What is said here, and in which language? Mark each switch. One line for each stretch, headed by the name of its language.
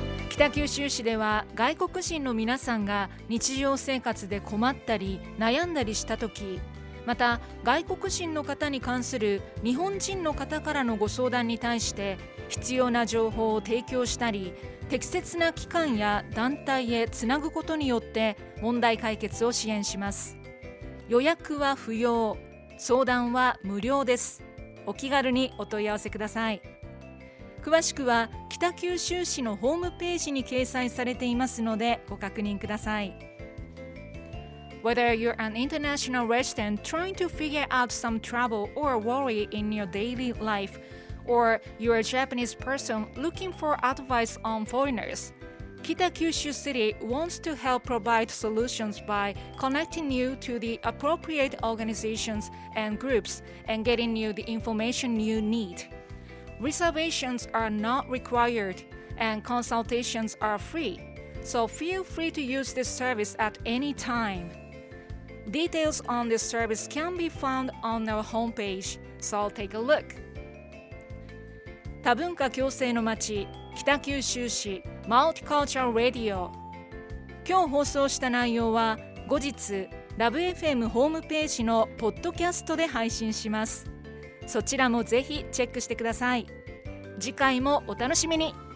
Japanese: 北九州市では外国人の皆さんが日常生活で困ったり悩んだりしたとき、また外国人の方に関する日本人の方からのご相談に対して必要な情報を提供したり、適切な機関や団体へつなぐことによって問題解決を支援します。予約は不要、相談は無料です。お気軽にお問い合わせください。詳しくは北九州市のホームページに掲載されていますのでご確認ください。
English: Whether you're an international resident trying to figure out some trouble or worry in your daily life, or you're a Japanese person looking for advice on foreigners, 北九州 City wants to help provide solutions by connecting you to the appropriate organizations and groups and getting you the information you need. Reservations are not required and consultations are free, so feel free to use this service at any time. Details on this service can be found on our homepage, so take a look.
Japanese: 多文化共生の街、北九州市、マルティカルチャルラディオ。今日放送した内容は後日 LoveFM ホームページのポッドキャストで配信します。そちらもぜひチェックしてください。次回もお楽しみに。